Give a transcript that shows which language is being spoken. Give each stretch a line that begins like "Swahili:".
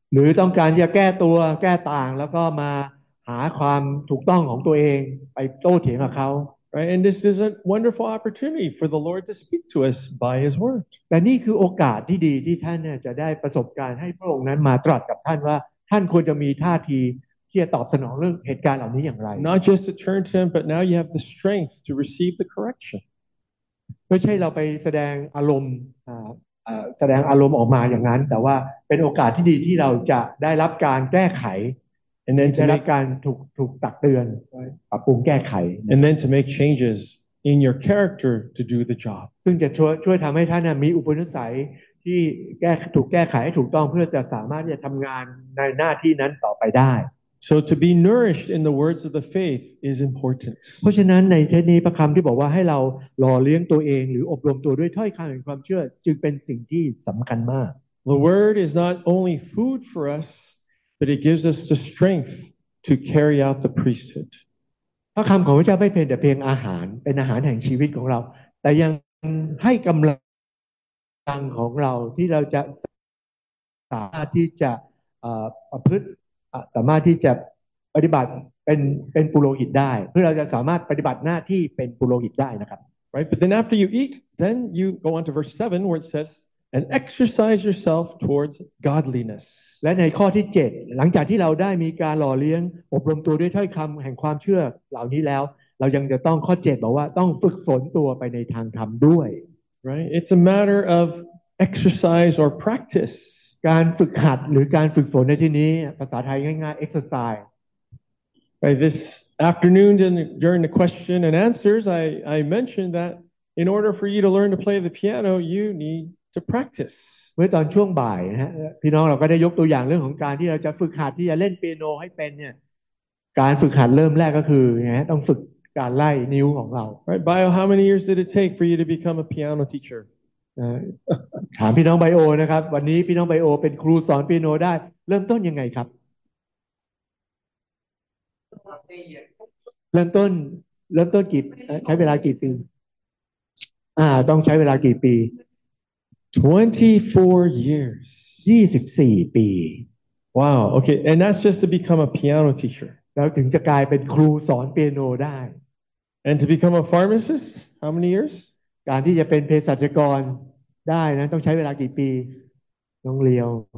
Thai: หรือต้องการจะแก้ตัวแก้ต่างแล้วก็มาหาความถูกต้องของตัวเองไปโต้เถียงกับเขา
English: Right and this is a wonderful opportunity for the Lord to speak to us by his word
Thai: แต่นี่คือโอกาสที่ดีที่ท่านจะได้ประสบการณ์ให้พระองค์นั้นมาตรัสกับท่านว่าท่านควรจะมีท่าทีที่จะตอบสนองเรื่องเหตุการณ์เหล่านี้อย่างไร
English: Not just to turn to him but now you have the strength to receive the correction
Thai: ไม่ใช่เราไปแสดงอารมณ์แสดงอารมณ์ออกมาอย่างนั้นแต่ว่าเป็นโอกาสที่ดีที่เราจะได้รับการแก้ไข และ ได้รับการถูกตักเตือน
English: right.
Thai: ปรับปรุงแก้ไข
English: and then to make changes in your character to do the job
Thai: ซึ่งจะช่วยทำให้ท่านมีอุปนิสัยที่แก้ไขให้ถูกต้องเพื่อจะสามารถจะทำงานในหน้าที่นั้นต่อไปได้
English: so to be nourished in the words of the faith is important
Thai: เพราะฉะนั้นในเทศนี้พระคำที่บอกว่าให้เราหล่อเลี้ยงตัวเองหรืออบรมตัวด้วยถ้อยคำแห่งความเชื่อจึงเป็นสิ่งที่สำคัญมาก
English: the word is not only food for us but it gives us the strength to carry out the priesthood
Thai: พระคำของพระเจ้าไม่เพียงแต่เพียงอาหารเป็นอาหารแห่งชีวิตของเราแต่ยังให้กำลังทางของเราที่เราจะสามารถที่จะประพฤติสามารถที่จะปฏิบัติเป็นปุโรหิตได้เพื่อเราจะสามารถปฏิบัติหน้าที่เป็นปุโรหิตได้นะครับ
English: Right but then after you eat then you go on to verse 7 where it says and exercise yourself towards godliness
Thai: และในข้อที่7หลังจากที่เราได้มีการหล่อเลี้ยงอบรมตัวด้วยถ้อยคำแห่งความเชื่อเหล่านี้แล้วเรายังจะต้องข้อ7บอกว่าต้องฝึกฝนตัวไปในทางธรรมด้วย
English: Right, it's a matter of exercise or practice.
Thai: การฝึกหัดหรือการฝึกฝนในที่นี้ภาษาไทยง่ายๆ exercise.
English: Right, this afternoon during the question and answers, I mentioned that in order for you to learn to play the piano, you need to practice.
Thai: เมื่อตอนช่วงบ่ายนะพี่น้องเราก็ได้ยกตัวอย่างเรื่องของการที่เราจะฝึกหัดที่จะเล่นเปียโนให้เป็นเนี่ยการฝึกหัดเริ่มแรกก็คือนะต้องฝึกการไล่นิ้วของเรา
English: Right bio how many years did it take for you to become a piano teacher
Thai: ถามพี่น้องไบโอนะครับวันนี้พี่น้องไบโอเป็นครูสอนเปียโนได้เริ่มต้นยังไงครับเริ่มต้นกี่ใช้เวลากี่ปีต้องใช้เวลากี่ปี
English: 24 years
Thai: 24ปี
English: Wow okay and that's just to become a piano teacher
Thai: แล้วถึงจะกลายเป็นครูสอนเปียโนได้
English: And to become a pharmacist, how many years?
Thai: การที่จะเป็นเภสัชกรได้นั้นต้องใช้เวลากี่ปีน้องเลียว